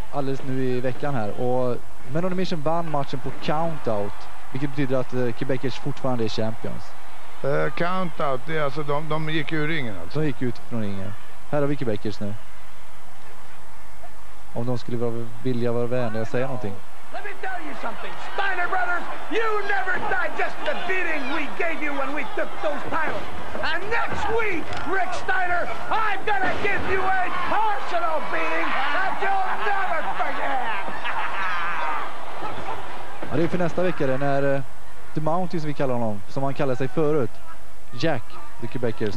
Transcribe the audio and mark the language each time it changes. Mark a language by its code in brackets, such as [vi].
[sv] Alldeles nu i veckan här. Och Men on a Mission vann matchen på countout. Vilket betyder att Quebecers fortfarande är champions. Countout, det är alltså de gick ur ringen alltså. De gick ut från ringen. Här har vi Quebecers nu. Om de skulle vilja vara vänliga och säga någonting. [en] Let me tell you something, Steiner Brothers, you never digest the beating we gave you when we took those titles. And next week, Rick Steiner, I'm gonna give you a personal beating that you'll never forget. [sv] Ja, det är för nästa vecka det, när The Mountain, som vi kallar honom, som han kallade sig förut, Jack The Quebecers.